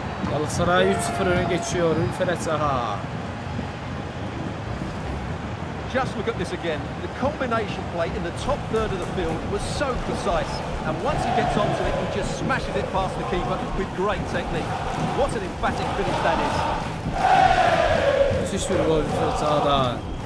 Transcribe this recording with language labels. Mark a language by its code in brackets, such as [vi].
[tr] Galatasaray 3-0 öne geçiyor. Ferhat Zaha. [en] Just look at this again. The combination play in the top third of the field was so precise. And once he gets onto it, he just smashes it past the keeper with great technique. What an emphatic finish that is. [tr] Müthiş bir gol Ferhat Zaha'dan.